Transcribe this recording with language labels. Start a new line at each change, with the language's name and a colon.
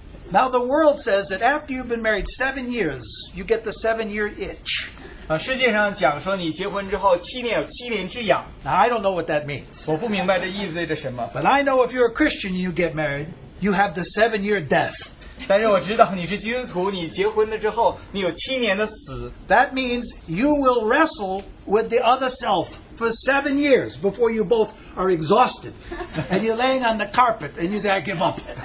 English: Now the world says that after you've been married 7 years, you get the 7-year itch.
Chinese: 世界上讲说你结婚之后七年有七年之痒。
English: Now I don't know what that means.
Chinese: 我不明白这意味着什么。
English: But I know if you're a Christian, you get married, you have the 7-year death.
Chinese: 但是我知道你是基督徒,你结婚了之后,你有七年的死。
English: That means you will wrestle with the other self for 7 years before you both are exhausted. And you're laying on the carpet and you say, I give up.